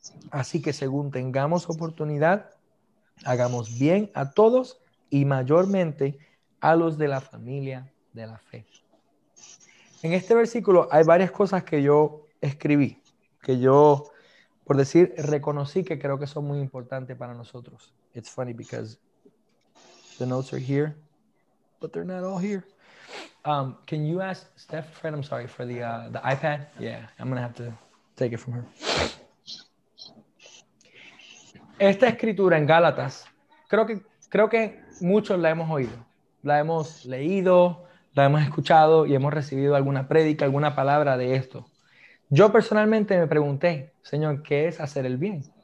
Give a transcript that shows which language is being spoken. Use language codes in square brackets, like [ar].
[es] Así que según tengamos oportunidad, hagamos bien a todos y mayormente a los de la familia de la fe. En este versículo hay varias cosas que yo escribí, que yo, por decir, reconocí que creo que son muy importantes para nosotros. [en] It's funny because the notes are here, but they're not all here. Can you ask Steph, Fred, I'm sorry, for the iPad? Yeah, I'm going to have to take it from her. [es] Esta escritura en Gálatas, creo que muchos la hemos oído. La hemos leído, la hemos escuchado y hemos recibido alguna prédica, alguna palabra de esto. Yo personalmente me pregunté, Señor, ¿qué es hacer el bien?